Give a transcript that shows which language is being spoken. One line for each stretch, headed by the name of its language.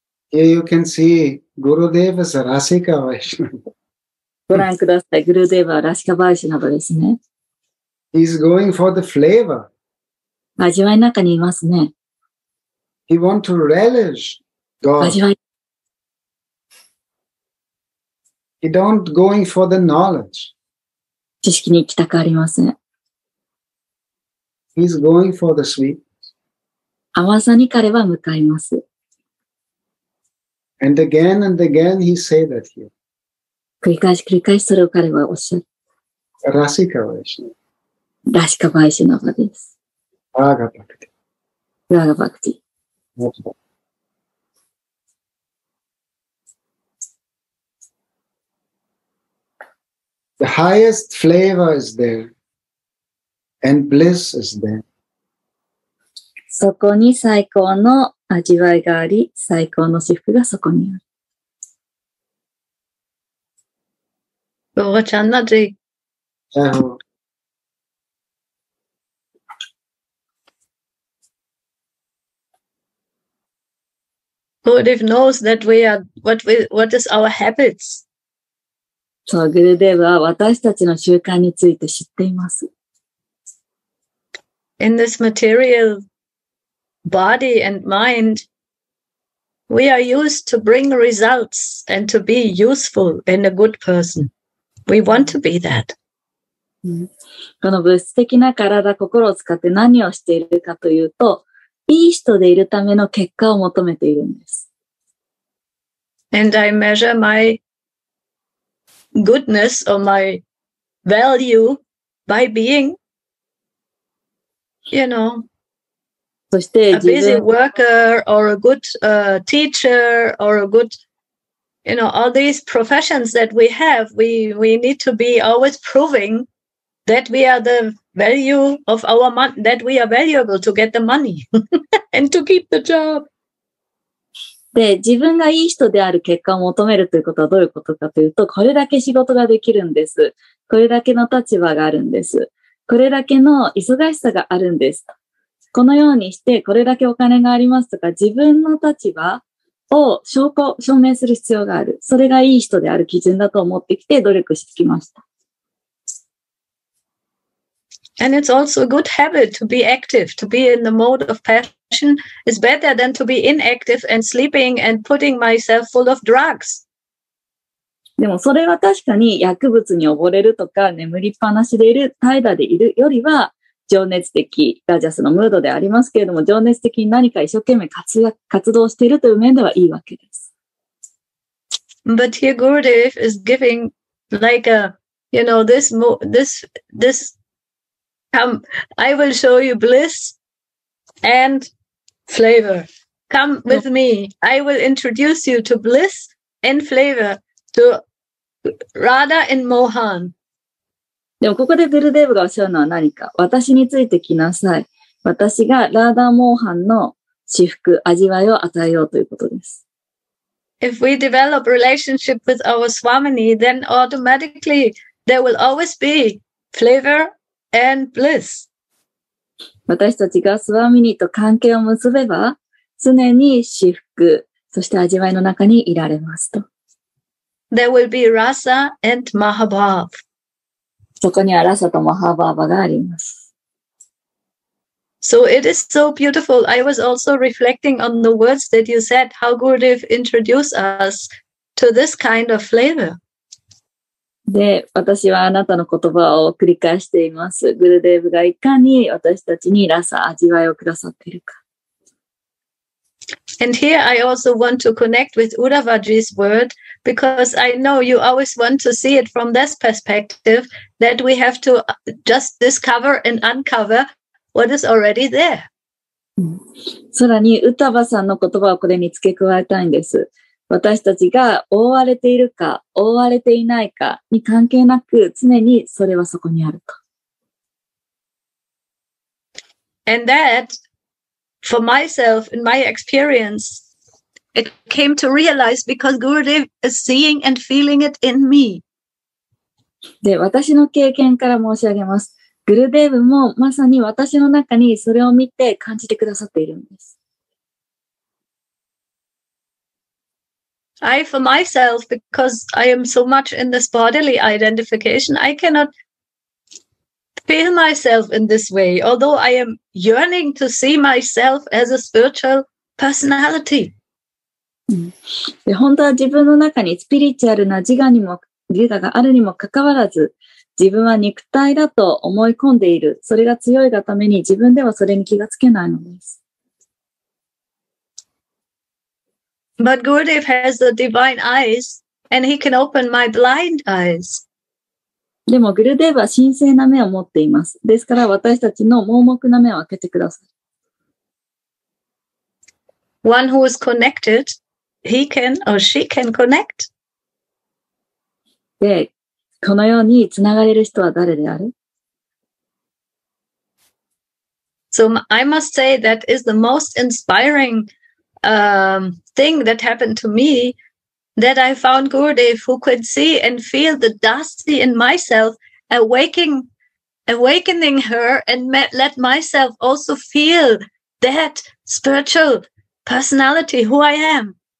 English: Here you can see Gurudev is a Rasika Vaishnava.
Japanese: ご覧ください。グルーデーバー、ラシカバイシなどですね。
English: He's going for the flavor.
Japanese: 味わいの中にいますね。
English: He wants to relish God.
Japanese: 味わい。
English: He don't going for the knowledge.
Japanese: 知識に行きたくありません。
English: He's going for the sweet.
Japanese: 甘さに彼は向かいます。
English: And again and again he say that here.
Japanese: 繰り返し繰り返しそれを彼はおっしゃる。ラシカバイシナバ。ラシカバイシナバです。ラガバクティ。 ラガバクティ。
English: The highest flavor is there, and bliss is there.
Japanese: そこに最高の味わいがあり、最高の至福がそこにある。
English: Gurudev knows that we are what is our habits.
Japanese: So Gurudev は私たちの習慣について知っています。
English: In this material body and mind, we are used to bring results and to be useful and a good person. We want to be that.
Japanese: この物質的な体、心を使って何をしているかというと、いい人でいるための結果を求めているんです。
English: And I measure my goodness or my value by being, you know,
Japanese: そして
English: a busy worker or a good teacher or a goodYou know, all these professions that we have, we need to be always proving that we are the value of our money, that we are valuable to get the money and to keep the job.
Japanese: で、自分がいい人である結果を求めるということはどういうことかというと、これだけ仕事ができるんです。これだけの立場があるんです。これだけの忙しさがあるんです。このようにして、これだけお金がありますとか、自分の立場を証拠、証明する必要がある。それがいい人である基準だと思ってきて、努力してきました。
English: And it's also a good habit to be active, to be in the mode of passion is better than to be inactive and sleeping and putting myself full of drugs.
Japanese: でもそれは確かに薬物に溺れるとか眠りっぱなしでいる、怠惰でいるよりは情熱的、ラジャスのムードでありますけれども、情熱的に何か一生懸命活動しているという面ではいいわけです。
English: But here Gurudev is giving like a, you know, this,I will show you bliss and flavor. Come with me. I will introduce you to bliss and flavor to Radha and Mohan.
Japanese: でもここでグルデーブがおっしゃるのは何か。私について来なさい。私がラーダーモーハンの至福、味わいを与えようということです。
English: If we develop relationship with our Swamini, then automatically there will always be flavor. And bliss.
Japanese: 私たちがスワミニと関係を結べば、常に至福、そして味わいの中にいられますと。
English: There will be rasa and mahabhav.
Japanese: そこにはラサとマハバーバがあります。
English: So it is so beautiful. I was also reflecting on the words that you said, how Gurudev introduced us to this kind of flavor.
Japanese: で、私はあなたの言葉を繰り返しています。グルデーブがいかに私たちにラサ、味わいをくださっているか。
English: And here I also want to connect with Uddhavaji's word because I know you always want to see it from this perspective that we have to just discover and uncover what is already there.
Japanese: さらにウタバさんの言葉をこれに付け加えたいんです。私たちが覆われているか、覆われていないかに関係なく、常にそれはそこにあると。
English: And that, for myself, in my experience, it came to realize because Gurudev is seeing and feeling it in me.
Japanese: で、私の経験から申し上げます。グルデーブもまさに私の中にそれを見て感じてくださっているんです。
English: I for myself, because I am so much in this bodily identification, I cannot feel myself in this way, although I am yearning to see myself as a spiritual personality.
Japanese: 本当は自分の中にスピリチュアルな自我にも、自我があるにもかかわらず、自分は肉体だと思い込んでいる。それが強いがために自分ではそれに気がつけないのです。
English: But Gurudev has the divine eyes, and he can open my blind eyes.
Japanese: でもグルデーブは神聖な目を持っています。ですから私たちの盲目な目を開けてください。
English: One who is connected, he can or she can connect.
Japanese: で、このようにつながれる人は誰である？
English: So I must say that is the most inspiring. Thing that happened to me that I found Gurudev who could see and feel the dusty in myself awakening her and let myself also feel that spiritual personality who I am.